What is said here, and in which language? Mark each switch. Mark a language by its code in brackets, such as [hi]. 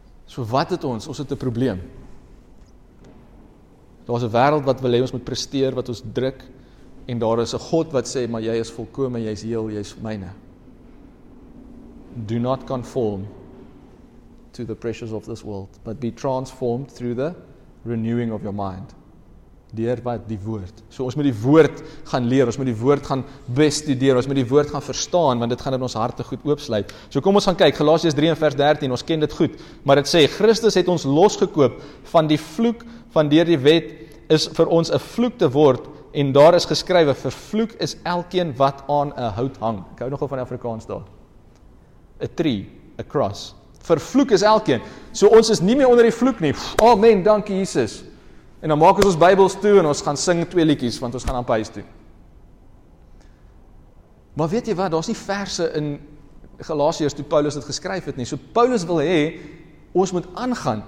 [af] So wat het ons? Ons het 'n probleem. Daar is 'n wêreld wat wil hê ons moet presteer, wat ons druk, en daar is 'n God wat sê, maar jy is volkome, jy is heel, jy is myne. [en] Do not conform to the pressures of this world, but be transformed through the renewing of your mind. [af] Deur wat die woord. So ons moet die woord gaan leer, ons moet die woord gaan bestudeer, ons moet die woord gaan verstaan, want dit gaan in ons harte goed oopsluit. So kom ons gaan kyk, Galasiërs 3 en vers 13, ons ken dit goed, maar dit sê, Christus het ons losgekoop van die vloek, van deur die wet is vir ons 'n vloek te word, en daar is geskrywe, vervloek is elkeen wat aan 'n hout hang. Ek hou nogal van Afrikaans daar. [en] A tree, a cross. [af] Vervloek is elkeen. So ons is nie meer onder die vloek nie. Amen, dankie Jesus. En dan maak ons Bybels toe en ons gaan sing 2 liedjies, want ons gaan aan huis toe. Maar weet jy wat, daar is nie verse in Galasiërs toe Paulus het geskryf het nie. So Paulus wil hê, ons moet aangaan.